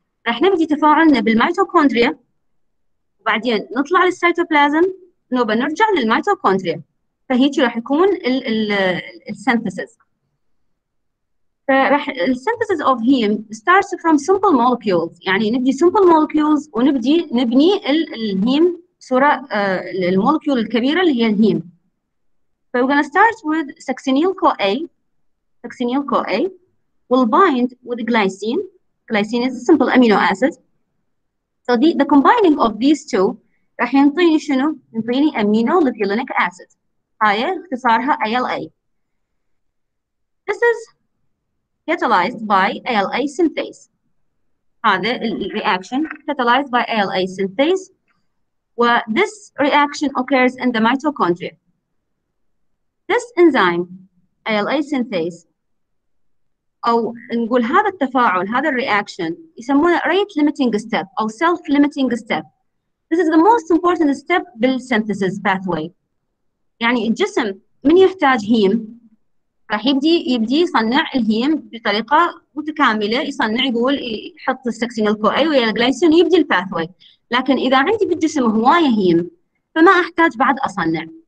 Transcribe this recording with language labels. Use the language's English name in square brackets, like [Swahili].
[Arabic] راح نبدي تفاعلنا بالميتوكوندريا وبعدين نطلع للسيتوبلازم نوبة نرجع للميتوكوندريا، فهيك راح يكون السينثيسيس. فراح [English] السينثيسيس of haem starts from simple molecules, [Arabic] يعني نبدي سمبل مولكيولز ونبدي نبني الهيم صورة المولكيول الكبيرة اللي هي الهيم. [English] So we're going to start with succinyl-CoA. Succinyl-CoA will bind with glycine. Glycine is a simple amino acid. So the combining of these two [Arabic] راح ينطيني شنو؟ ينطيني [English] amino lipoic acid. [Arabic] هاي اختصارها [English] ALA. This is catalyzed by ALA synthase. هذا الreaction catalyzed by ALA synthase. Where this reaction occurs in the mitochondria. This enzyme, ALA synthase, [Arabic] أو نقول هذا التفاعل، هذا الرياكشن يسمونه [English] rate limiting step أو self limiting step. This is the most important step بال synthesis pathway. [Arabic] يعني الجسم من يحتاج هيم راح يبدي يصنع الهيم بطريقة متكاملة، يصنع يقول يحط السكسينيل كو اي والجلايسين ويبدي الباثوي. لكن إذا عندي بالجسم هواية هيم فما أحتاج بعد أصنع.